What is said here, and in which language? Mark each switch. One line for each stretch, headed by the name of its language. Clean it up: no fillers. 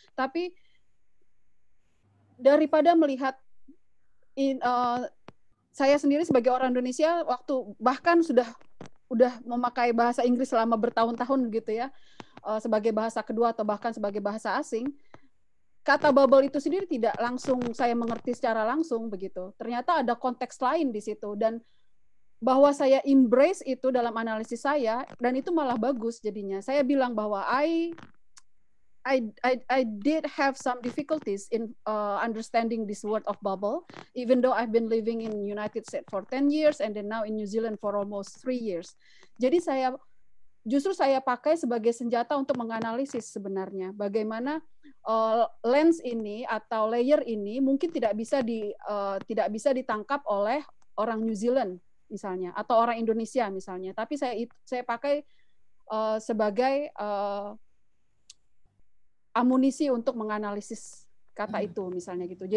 Indonesian: Tapi daripada melihat saya sendiri sebagai orang Indonesia waktu bahkan sudah memakai bahasa Inggris selama bertahun-tahun gitu ya, sebagai bahasa kedua atau bahkan sebagai bahasa asing, kata bubble itu sendiri tidak langsung saya mengerti secara langsung begitu. Ternyata ada konteks lain di situ dan bahwa saya embrace itu dalam analisis saya dan itu malah bagus jadinya. Saya bilang bahwa
English: I did have some difficulties in understanding this word of bubble, even though I've been living in United States for 10 years and then now in New Zealand for almost 3 years.
Indonesian: Jadi saya pakai sebagai senjata untuk menganalisis sebenarnya bagaimana lens ini atau layer ini mungkin tidak bisa ditangkap oleh orang New Zealand misalnya atau orang Indonesia misalnya, tapi saya pakai sebagai amunisi untuk menganalisis kata itu misalnya gitu.